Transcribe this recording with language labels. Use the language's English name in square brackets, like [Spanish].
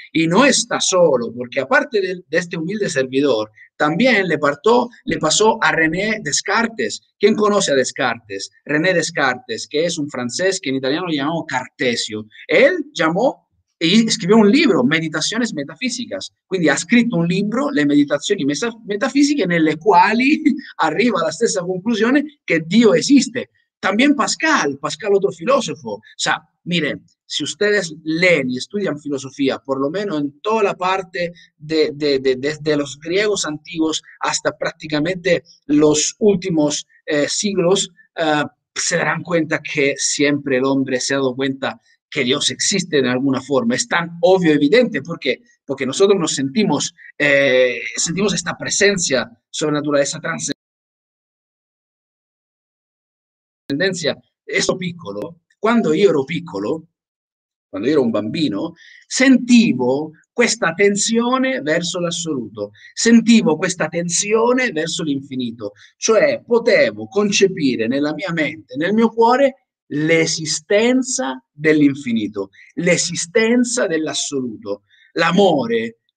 [Spanish] Y no está solo, porque aparte de este humilde servidor, también le pasó a René Descartes. ¿Quién conoce a Descartes? René Descartes, que es un francés que en italiano lo llamamos Cartesio. Él llamó y escribió un libro, Meditaciones Metafísicas. [Italian] Quindi ha scritto un libro, Le Meditazioni Metafisiche, nelle quali arriva alla stessa conclusione che Dio esiste. [Spanish] También Pascal, otro filósofo. O sea, mire, si ustedes leen y estudian filosofía, por lo menos en toda la parte de los griegos antiguos hasta prácticamente los últimos siglos, se darán cuenta que siempre el hombre se ha dado cuenta que Dios existe de alguna forma. Es tan obvio, evidente, porque nosotros nos sentimos esta presencia sobrenatural, esa trascendencia. [Italian] Esto piccolo, quando io ero un bambino, sentivo questa tensione verso l'assoluto, sentivo questa tensione verso l'infinito, cioè potevo concepire nella mia mente, nel mio cuore, l'esistenza dell'infinito, l'esistenza dell'assoluto, l'amore,